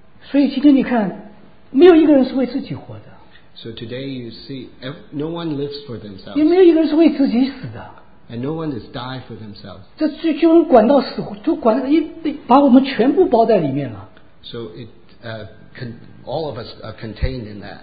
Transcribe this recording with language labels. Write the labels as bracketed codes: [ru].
[zh] 所以今天你看, 没有一个人是为自己活着, [en] so today you see, no one lives for themselves. [zh] 也没有一个人是为自己死的, [en] and no one has died for themselves. [zh] 这就管到死,都管,把我们全部包在里面了。 [en] So it, all of us are contained in that.